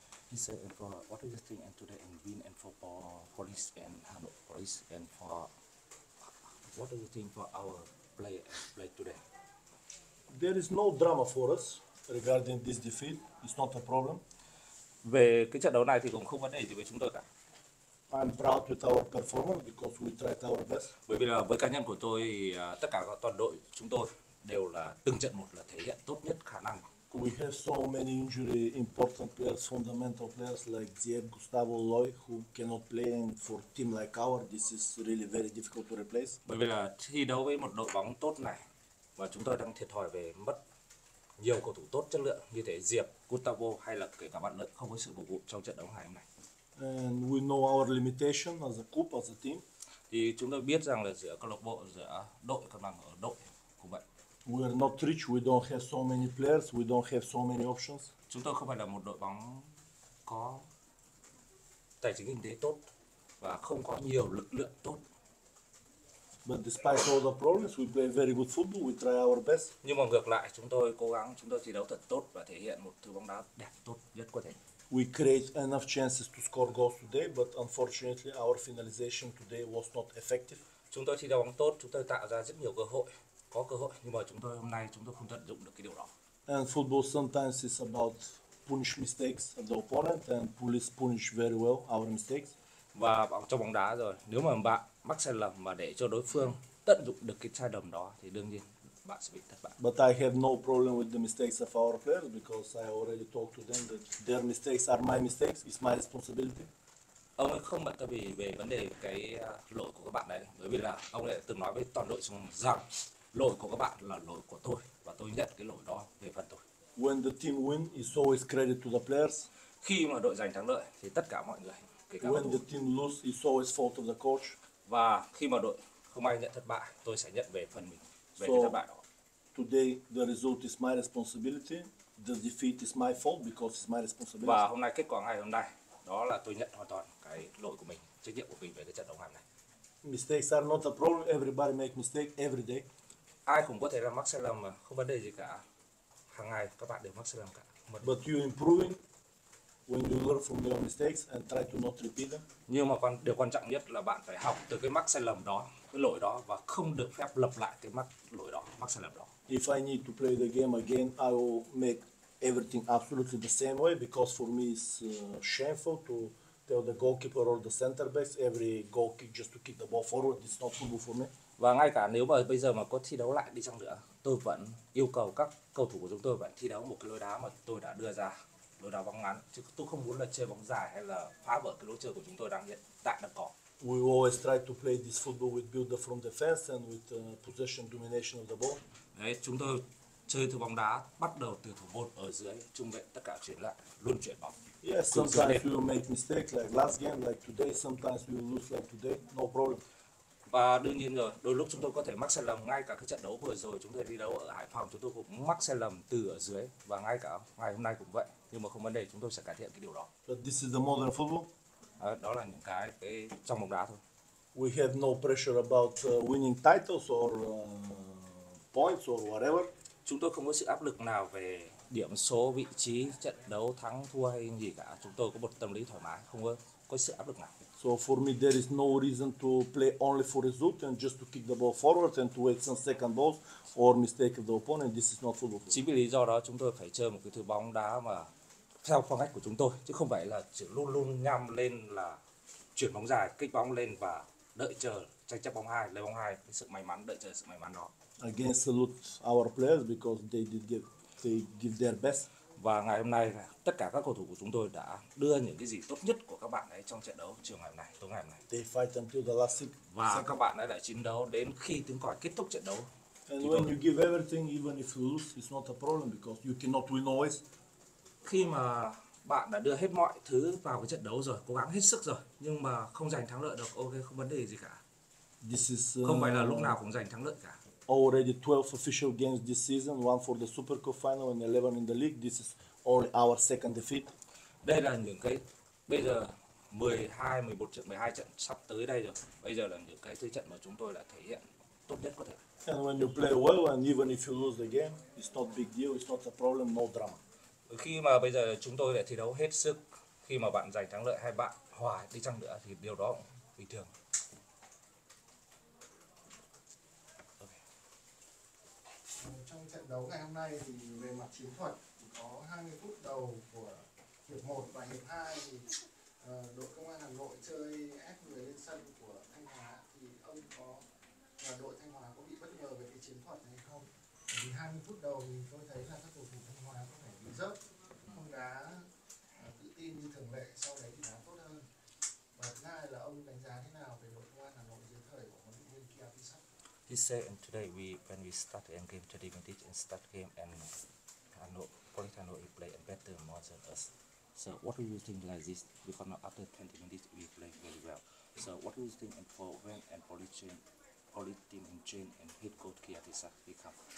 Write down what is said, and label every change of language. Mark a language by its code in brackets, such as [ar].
[en] he said, and for what is the thing and today and win and for police and Hanoi police and for what do you think for our play and play today? There is no drama for us regarding this defeat. It's not a problem. [vi] Về cái trận đấu này thì cũng không vấn đề gì với chúng tôi cả. [en] I'm proud with our performance because we tried our best. [vi] Bởi vì là với cá nhân của tôi, tất cả các toàn đội chúng tôi đều là từng trận một là thể hiện tốt nhất khả năng. [en] We have so many injury important players, fundamental players like Diego, Gustavo, Loy, who cannot play and for team like our, this is really very difficult to replace. [vi] Bởi vì là thi đấu với một đội bóng tốt này và chúng tôi đang thiệt thòi về mất nhiều cầu thủ tốt chất lượng như thế Diệp, Gustavo hay là kể cả bạn Lợi không có sự phục vụ trong trận đấu ngày hôm nay. [en] And we know our limitation as a group, as a team. [vi] Thì chúng tôi biết rằng là giữa câu lạc bộ, giữa đội, cân bằng ở đội cũng vậy. [en] We are not rich, we don't have so many players, we don't have so many options. [vi] Chúng tôi không phải là một đội bóng có tài chính kinh tế tốt và không có nhiều lực lượng tốt. [en] But despite all the problems, we play very good football, we try our best. [vi] Nhưng mà ngược lại, chúng tôi cố gắng, chúng tôi thi đấu thật tốt và thể hiện một thứ bóng đá đẹp tốt nhất có thể. [en] We create enough chances to score goals today, but unfortunately our finalization today was not effective. [vi] Chúng tôi thi đấu bóng tốt, chúng tôi tạo ra rất nhiều cơ hội. Có cơ hội nhưng mà chúng tôi hôm nay chúng tôi không tận dụng được cái điều đó. [en] And football sometimes is about punish mistakes of the opponent and police punish very well our mistakes. [vi] Và trong bóng đá rồi, nếu mà bạn mắc sai lầm mà để cho đối phương tận dụng được cái sai lầm đó thì đương nhiên bạn sẽ bị thất bại. [en] But I have no problem with the mistakes of our players because I already talked to them that their mistakes are my mistakes, it's my responsibility. [vi] Ông ấy không bận tâm gì về vấn đề cái lỗi của các bạn đấy, bởi vì là ông ấy từng nói với toàn đội rằng lỗi của các bạn là lỗi của tôi và tôi nhận cái lỗi đó về phần tôi. [en] When the team win, it's always credit to the players. [vi] Khi mà đội giành thắng lợi thì tất cả mọi người kể cả [en] when the team lose, it's always fault of the coach. [vi] Và khi mà đội không ai nhận thất bại, tôi sẽ nhận về phần mình về [en] so, [vi] cái thất bại đó. [en] Today the result is my responsibility. The defeat is my fault because it's my responsibility. [vi] Và hôm nay kết quả ngày hôm nay đó là tôi nhận hoàn toàn cái lỗi của mình, trách nhiệm của mình về cái trận đấu ngày hôm nay. [en] Mistakes are not a problem. Everybody make mistake every day. [vi] Ai cũng có thể làm mắc sai lầm mà, không vấn đề gì cả. Hàng ngày các bạn đều mắc sai lầm cả. [en] But you improving when you learn from your mistakes and try to not repeat them. [vi] Nhưng mà điều quan trọng nhất là bạn phải học từ cái mắc sai lầm đó, cái lỗi đó và không được phép lặp lại cái mắc sai lầm đó. [en] If I need to play the game again, I will make everything absolutely the same way because for me it's shameful to tell the goalkeeper or the center backs every goal kick just to kick the ball forward. It's not football for me. [vi] Và ngay cả nếu mà bây giờ mà có thi đấu lại đi chăng nữa, tôi vẫn yêu cầu các cầu thủ của chúng tôi vẫn thi đấu một cái lối đá mà tôi đã đưa ra lối đá bóng ngắn, chứ tôi không muốn là chơi bóng dài hay là phá vỡ cái lối chơi của chúng tôi đang hiện tại đang có. [en] We always try to play this football with build up from defense and with possession domination of the ball. [vi] Đấy, chúng tôi chơi thử bóng đá bắt đầu từ thủ môn ở dưới, trung vệ tất cả chuyển lại, luôn chuyển bóng. [en] Yes, sometimes we will make mistakes like last game, like today. Sometimes we will lose like today. No problem. [vi] Và đương nhiên rồi, đôi lúc chúng tôi có thể mắc sai lầm, ngay cả cái trận đấu vừa rồi chúng tôi đi đấu ở Hải Phòng, chúng tôi cũng mắc sai lầm từ ở dưới và ngay cả ngày hôm nay cũng vậy. Nhưng mà không vấn đề, chúng tôi sẽ cải thiện cái điều đó. [en] But this is the modern football. [vi] À, đó là những cái trong bóng đá thôi. [en] We have no pressure about winning titles or points or whatever. [vi] Chúng tôi không có sự áp lực nào về điểm số, vị trí, trận đấu, thắng, thua hay gì cả. Chúng tôi có một tâm lý thoải mái, không có sự áp lực nào. [en] So for me there is no reason to play only for result and just to kick the ball forward and to wait some second balls or mistake of the opponent. This is not football. [vi] Chính vì lý do đó chúng tôi phải chơi một cái thứ bóng đá mà theo phong cách của chúng tôi, chứ không phải là chỉ luôn luôn nhằm lên là chuyển bóng dài, kích bóng lên và đợi chờ tranh chấp bóng hai, lấy bóng hai, sự may mắn, đợi chờ sự may mắn đó. [en] Again, salute our players because they give their best. [vi] Và ngày hôm nay tất cả các cầu thủ của chúng tôi đã đưa những cái gì tốt nhất của các bạn ấy trong trận đấu chiều ngày hôm nay, tối ngày hôm nay. [en] They fight until the last six. [vi] Và các bạn ấy đã chiến đấu đến khi tiếng còi kết thúc trận đấu. [en] And when you give everything, even if you lose, it's not a problem because you cannot win always. [vi] Khi mà bạn đã đưa hết mọi thứ vào cái trận đấu rồi, cố gắng hết sức rồi, nhưng mà không giành thắng lợi được, ok, không vấn đề gì cả. [en] This is [vi] không phải là lúc nào cũng giành thắng lợi cả. [en] Already 12 official games this season, one for the Super Cup final and 11 in the league. This is only our second defeat. [vi] Đây là những cái bây giờ 12, 11 trận, 12 trận sắp tới đây rồi. Bây giờ là những cái thứ trận mà chúng tôi đã thể hiện tốt nhất có thể. [en] And when you play well and even if you lose the game, it's not big deal, it's not a problem, no drama. [vi] Khi mà bây giờ chúng tôi đã thi đấu hết sức, khi mà bạn giành thắng lợi hay bạn hòa đi chăng nữa thì điều đó cũng bình thường. Trong trận đấu ngày hôm nay thì về mặt chiến thuật thì có 20 phút đầu của hiệp 1 và hiệp 2 thì đội Công an Hà Nội chơi ép người lên sân của Thanh Hóa, thì ông có và đội Thanh Hóa có bị bất ngờ về cái chiến thuật hay không? Vì 20 phút đầu thì tôi thấy là các cầu thủ Thanh Hóa có phải bị rớt, không đá tự tin như thường lệ, sau đấy thì đá tốt hơn. Và thứ hai là ông đánh giá thế nào về đội Công an Hà Nội dưới thời của huấn luyện viên Kia Pisac? [en] He said, and today when we start the game 30 minutes and start game and Politano he play better more than us. So what do you think like this? Because now after 20 minutes we play very well. So what do you think and for when and Politano and change and head coach Kiatisa become?